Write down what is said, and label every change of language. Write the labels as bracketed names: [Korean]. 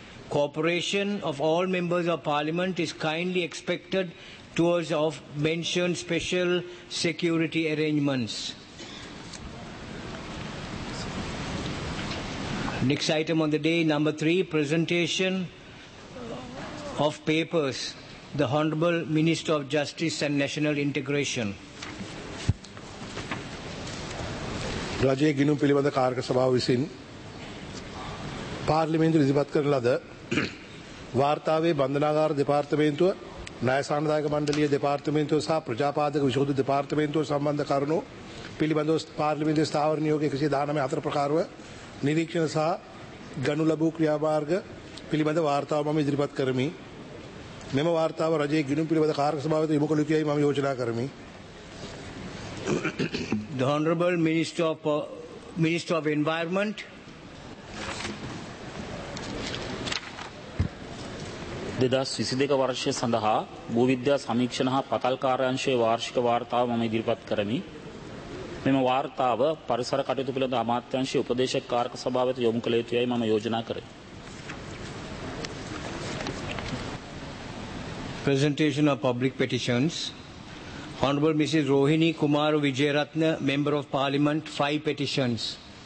[English] Cooperation of all Members of Parliament is kindly expected towards of mentioned special security arrangements. Next item on the day, number 3, presentation of papers, the Honourable Minister of Justice and National Integration. [Sinhala] රජයේ ගිණුම් පිළිබඳ කාර්යක සභාව විසින් පාර්ලිමේන්තුවේ ඉදිරිපත් කරන ලද වාර්තාවේ බන්ධනාගාර දෙපාර්තමේන්තුව, ණය සාමදායක මණ්ඩලීය දෙපාර්තමේන්තුව සහ ප්‍රජාපාදක විශෝධ දෙපාර්තමේන්තුව සම්බන්ධ කරුණු පිළිබඳව පාර්ලිමේන්තුවේ ස්ථාවර නියෝග 119 අතර ප්‍රකාරව නිරීක්ෂණ සහ ගනු ලැබූ ක්‍රියාමාර්ග පිළිබඳ වාර්තාව මම ඉදිරිපත් කරමි. මෙම වාර්තාව රජයේ ගිණුම් පිළිබඳ කාර්යක සභාව වෙත යොමු කළ යුතුයි මම යෝජනා කරමි. [English] The Honourable Minister of Environment, [Sinhala] දෙදස් 22 වර්ෂය සඳහා භූවිද්‍යා සමීක්ෂණ හා පතල් කාර්යාංශයේ වාර්ෂික වාර්තාව මම ඉදිරිපත් කරමි. මෙම වාර්තාව පරිසර කටයුතු පිළිබඳ අමාත්‍යාංශයේ උපදේශක කාර්ක සභාවට යොමු කළ යුතුයි මම යෝජනා කරමි. [English] Presentation of public petitions. Honourable Mrs. Rohini Kumar Vijayaratna, Member of Parliament, 5 petitions.